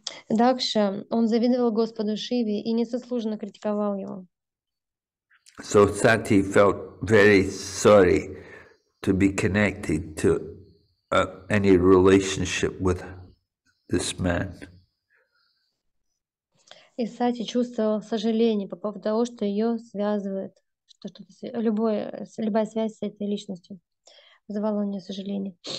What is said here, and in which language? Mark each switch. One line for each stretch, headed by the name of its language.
Russian: Дакша, он завидовал Господу Шиве и незаслуженно критиковал его.
English: So Sati felt very sorry to be connected to any relationship with this man.
Russian: И Сати чувствовала сожаление по поводу того, что ее связывает, что-то, любая связь с этой личностью вызывала у нее сожаление.